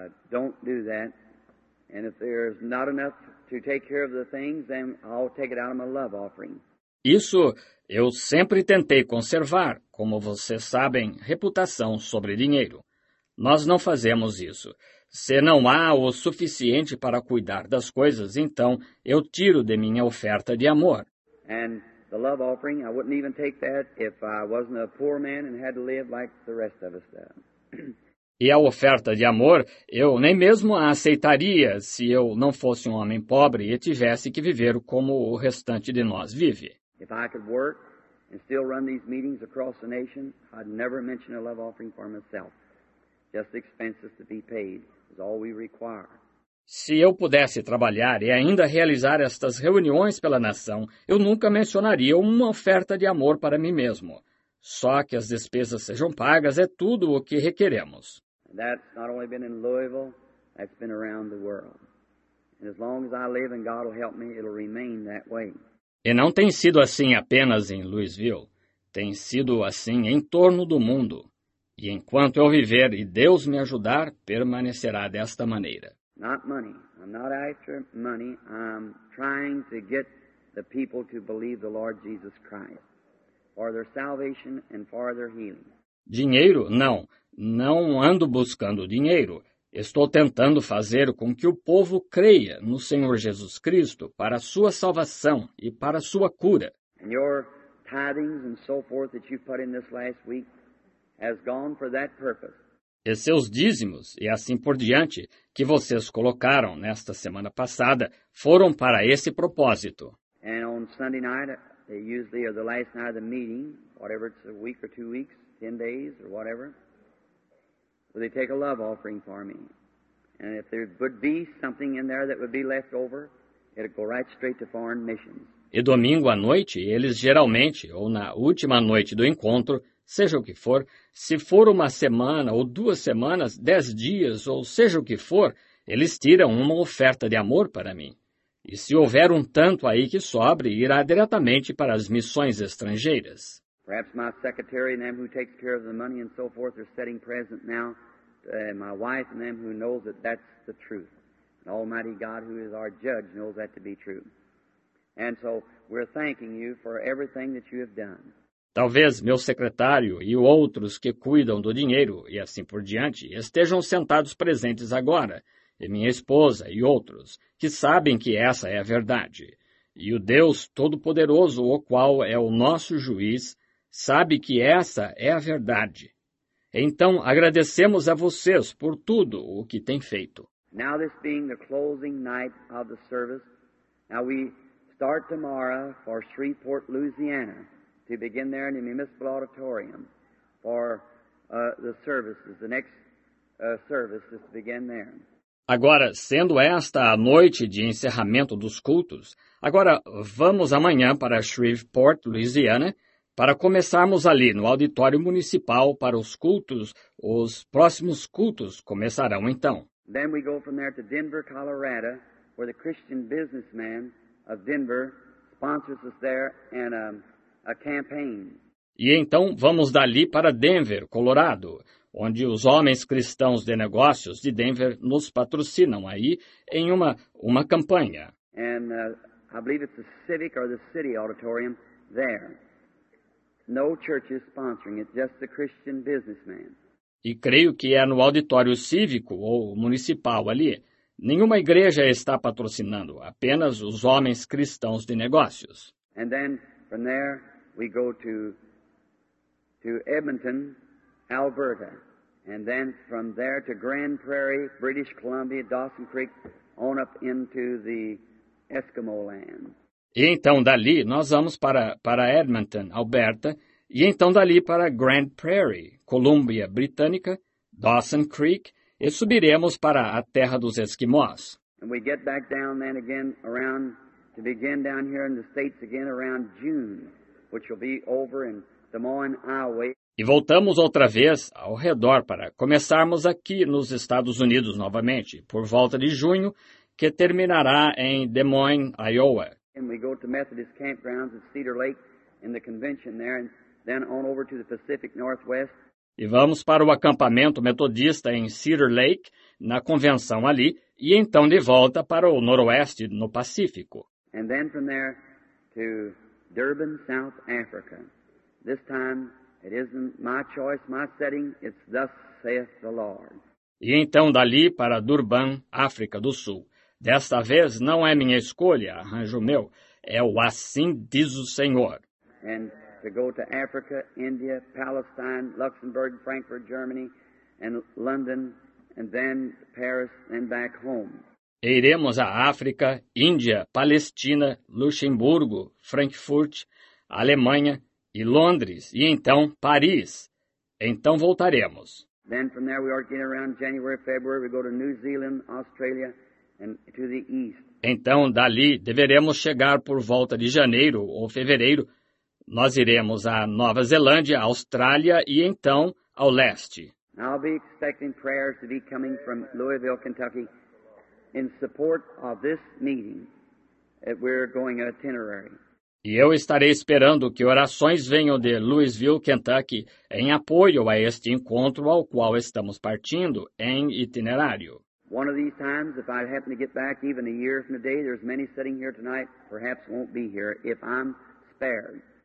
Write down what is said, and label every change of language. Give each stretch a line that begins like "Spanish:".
English: Don't do that. And if there's not enough to take care of the things, then I'll take it out of my love offering.
Portuguese: Isso eu sempre tentei conservar, como vocês sabem, reputação sobre dinheiro. Nós não fazemos isso. Se não há o suficiente para cuidar das coisas, então eu tiro de minha oferta de amor.
English: And the love offering, I wouldn't even take that if I wasn't a poor man and had to live like the rest of us do.
Portuguese: E a oferta de amor, eu nem mesmo a aceitaria se eu não fosse um homem pobre e tivesse que viver como o restante de nós vive.
English: If I could work and still run these meetings across the nation, I'd never mention a love offering for myself. Just expenses to be paid is all we require.
Portuguese: Se eu pudesse trabalhar e ainda realizar estas reuniões pela nação, eu nunca mencionaria uma oferta de amor para mim mesmo. Só que as despesas sejam pagas é tudo o que requeremos.
English: That's not only been in Louisville, that's been around the world. And as long as I live and God will help me, it'll remain that way.
Portuguese: E não tem sido assim apenas em Louisville. Tem sido assim em torno do mundo. E enquanto eu viver e Deus me ajudar, permanecerá desta maneira.
English: Not money. I'm not after money. I'm trying to get the people to believe the Lord Jesus Christ for their salvation and for their healing.
Portuguese: Dinheiro? Não. Não ando buscando dinheiro. Estou tentando fazer com que o povo creia no Senhor Jesus Cristo para a sua salvação e para a sua cura.
English: And your tithings and so forth that you've put in this last week has gone for that purpose.
Portuguese: E seus dízimos, e assim por diante, que vocês colocaram nesta semana passada, foram para esse propósito.
English: And on Sunday night, usually or the last night of the meeting, whatever it's a week or 2 weeks, 10 days or whatever, they take a love offering for me. And if there would be something in there that would be left over, it would go right straight to foreign missions.
Portuguese: E domingo à noite, eles geralmente, ou na última noite do encontro, seja o que for, se for uma semana ou 2 semanas, 10 dias, ou seja o que for, eles tiram uma oferta de amor para mim. E se houver um tanto aí que sobre, irá diretamente para as missões estrangeiras.
English: Perhaps my secretary and them who takes care of the money and so forth are setting present now, my wife and them who knows that that's the truth. And Almighty God, who is our judge, knows that to be true. And so we're thanking you for everything that you have done.
Portuguese: Talvez meu secretário e outros que cuidam do dinheiro e assim por diante estejam sentados presentes agora, e minha esposa e outros, que sabem que essa é a verdade. E o Deus Todo-Poderoso, o qual é o nosso juiz, sabe que essa é a verdade. Então, agradecemos a vocês por tudo o que têm feito.
English: Now this being the closing night of the service, now we start tomorrow for Shreveport, Louisiana, to begin there in the Municipal Auditorium for the services, the next service is to begin there.
Portuguese: Agora, sendo esta a noite de encerramento dos cultos, agora vamos amanhã para Shreveport, Louisiana, para começarmos ali no auditório municipal para os cultos. Os próximos cultos começarão então.
English: Then we go from there to Denver, Colorado, where the Christian businessman of Denver sponsors us there and a campaign.
Portuguese: E então vamos dali para Denver, Colorado, onde os homens cristãos de negócios de Denver nos patrocinam aí em uma campanha.
English: And I believe it's the Civic or the City Auditorium there. No church is sponsoring it, just the Christian businessman.
Portuguese: E creio que é no auditório cívico ou municipal ali. Nenhuma igreja está patrocinando, apenas os homens cristãos de negócios.
English: And then from there we go to Edmonton, Alberta, and then from there to Grand Prairie, British Columbia, Dawson Creek, on up into the Eskimo land.
Portuguese: E então dali nós vamos para Edmonton, Alberta, e então dali para Grand Prairie, Colômbia Britânica, Dawson Creek, e subiremos para a terra dos Esquimós.
English: And we get back down then again around to begin down here in the States again around June, which will be over in Des Moines, Iowa.
Portuguese: E voltamos outra vez ao redor para começarmos aqui nos Estados Unidos novamente, por volta de junho, que terminará em Des Moines, Iowa.
English: And we go to Methodist campgrounds at Cedar Lake in the convention there, and then on over to the Pacific Northwest.
Portuguese: E vamos para o acampamento metodista em Cedar Lake, na convenção ali, e então de volta para o noroeste no Pacífico.
English: And then from there to Durban, South Africa. This time, it isn't my choice, my setting, it's thus saith the Lord.
Portuguese: E então dali para Durban, África do Sul. Desta vez não é minha escolha, arranjo meu, é o assim diz o Senhor.
English: And to go to Africa, India, Palestine, Luxembourg, Frankfurt, Germany, and London, and then Paris, and back home.
Portuguese: E iremos a África, Índia, Palestina, Luxemburgo, Frankfurt, Alemanha e Londres, e então Paris. Então voltaremos.
English: Then from there we are getting around January, February, we go to New Zealand, Australia, and to the east.
Portuguese: Então dali deveremos chegar por volta de janeiro ou fevereiro. Nós iremos à Nova Zelândia, Austrália e então ao leste.
English: I'll be expecting prayers to be coming from Louisville, Kentucky, in support of this meeting that we're going itinerary.
Portuguese: E eu estarei esperando que orações venham de Louisville, Kentucky, em apoio a este encontro ao qual estamos partindo em itinerário.
English: One of these times, if I happen to get back even a year from today, there's many sitting here tonight, perhaps won't be here if I'm spared.